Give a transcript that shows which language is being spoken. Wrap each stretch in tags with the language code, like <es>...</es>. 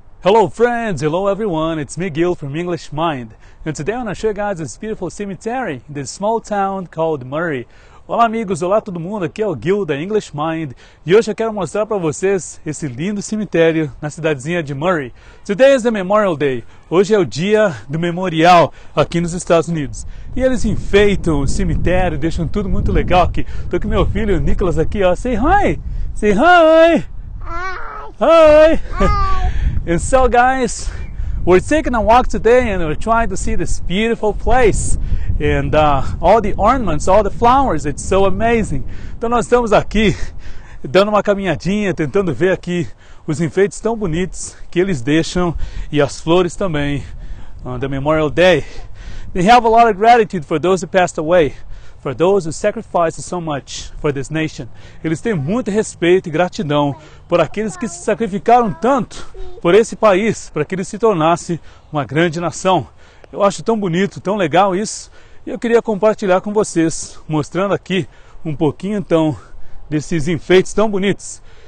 <en>Hello friends, hello everyone, it's Miguel from English Mind. And today I want to show you guys this beautiful cemetery in this small town called Murray.</en> <pt>Olá amigos, olá todo mundo, aqui é o Gil da English Mind. E hoje eu quero mostrar para vocês esse lindo cemitério na cidadezinha de Murray.</pt> <en>Today is the Memorial Day.</en> <pt>Hoje é o dia do memorial aqui nos Estados Unidos. E eles enfeitam o cemitério, deixam tudo muito legal aqui. Tô com meu filho Nicholas aqui, ó.</pt> <en>Say hi! Say hi! Hi! And so guys, we're taking a walk today and we're trying to see this beautiful place. And all the ornaments, all the flowers, it's so amazing.</en> <pt>Então nós estamos aqui dando uma caminhadinha, tentando ver aqui os enfeites tão bonitos que eles deixam e as flores também on the Memorial Day.</pt> <en>They have a lot of gratitude for those who passed away, for those who sacrificed so much for this nation.</en> <pt>Eles têm muito respeito e gratidão por aqueles que se sacrificaram tanto por esse país, para que ele se tornasse uma grande nação. Eu acho tão bonito, tão legal isso, e eu queria compartilhar com vocês, mostrando aqui um pouquinho então desses enfeites tão bonitos.</pt>